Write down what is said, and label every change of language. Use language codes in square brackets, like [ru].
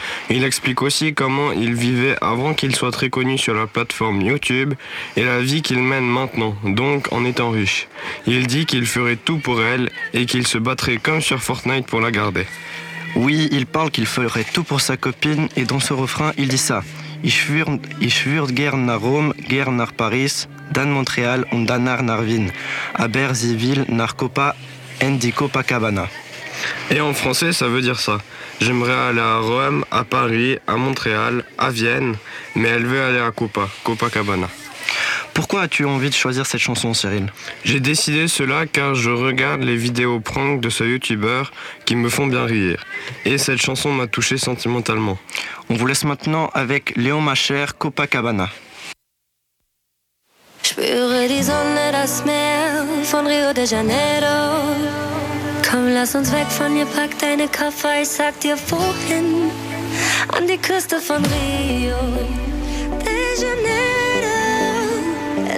[fr] Il explique aussi comment il vivait avant qu'il soit très connu sur la plateforme YouTube et la vie qu'il mène maintenant, donc en étant riche. Il dit qu'il ferait tout pour elle et qu'il se battrait comme sur Fortnite pour la garder. Oui, il parle qu'il ferait tout pour sa copine et dans ce refrain, il dit ça. [de] Ich würde gern nach Rom, gern nach Paris, dann Montreal und danach nach Wien, aber sie will nach Copa, Andy Copacabana. [fr] Et en français, ça veut dire ça. J'aimerais aller à Rome, à Paris, à Montréal, à Vienne, mais elle veut aller à Copa, Copacabana. Pourquoi as-tu envie de choisir cette chanson, Cyril? J'ai décidé cela car je regarde les vidéos prank de ce youtubeur qui me font bien rire. Et cette chanson m'a touché sentimentalement. On vous laisse maintenant avec Léon Machère, Copacabana. [de] Spüre die Sonne, das Meer von Rio de Janeiro. Komm, lass uns weg von mir, pack deine Koffer, ich sag dir wohin. An die Küste von Rio de Janeiro.